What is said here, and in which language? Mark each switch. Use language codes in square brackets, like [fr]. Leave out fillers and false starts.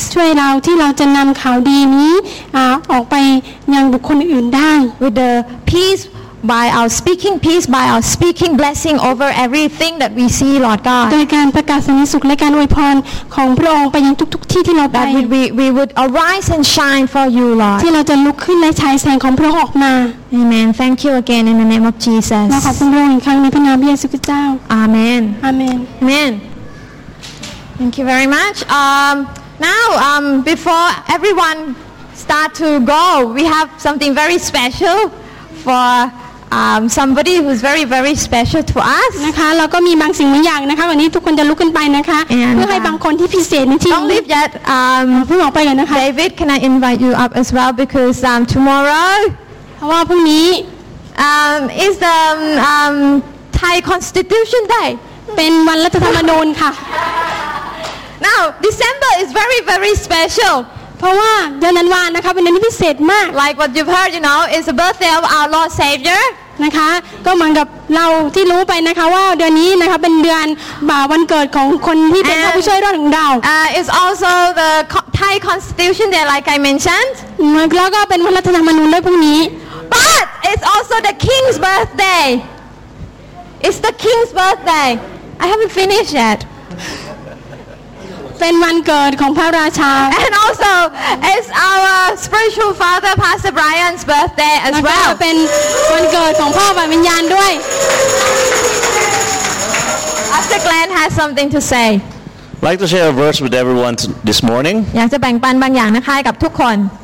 [th] ช่วยเราที่เราจะนำข่าวดีนี้ออกไปยังบุคคลอื่นได้ [en] With the peaceby our speaking peace by our speaking blessing over everything that we see Lord God [th] โดยการประกาศสันติสุขและการอวยพรของพระองค์ไปยังทุกๆที่ที่เราไป [en] that we would arise and shine for you Lord [th] ที่เราจะลุกขึ้นและฉายแสงของพระองค์ออกมา [en] Amen thank you again in the name of Jesus [th] ขอบคุณพระองค์อีกครั้งในพระนามพระเยซูคริสต์เจ้า [en] Amen Amen Amen Thank you very much now before everyone start to go we have something very special forsomebody who's very very special to us [th] นะคะเราก็มีบางสิ่งบางอย่างนะคะวันนี้ทุกคนจะลุกขึ้นไปนะคะเพื่อให้บางคนที่พิเศษนี้ที่ [en] Don't leave yet [th] พึ่งออกไปเลยนะคะ [en] David can I invite you up as well because tomorrow [th] ว่าพรุ่งนี้ [en] is the Thai Constitution Day [th] เป็นวันรัฐธรรมนูญค่ะ [en] Now December is very very special [th] เพราะว่าเดือนธันวาคมนะคะเป็นเดือนที่พิเศษมาก [en] Like what you've heard you know is the birthday of our Lord Savior [th] นะคะก็เหมือนกับเราที่รู้ไปนะคะว่าเดือนนี้นะคะเป็นเดือนบ่าวันเกิดของคนที่เป็นพระผู้ช่วยรอดของเรา [en] It's also the Thai Constitution Day like I mentioned [th] แล้วก็เป็นวันรัฐธรรมนูญด้วยพรุ่งนี้ [en] But it's also the king's birthday. It's the king's birthday. I haven't finished yet. [th] เป็นวันเกิดของพระราชา [en] And also it's our spiritual father Pastor Brian's birthday as well. [th] เป็นวันเกิดของพ่อฝ่ายวิญญาณด้วย [en] Pastor Glenn has something to say. I'd like to share a verse with everyone this morning. [th] อยากจะแบ่งปันบางอย่างนะคะกับทุกคน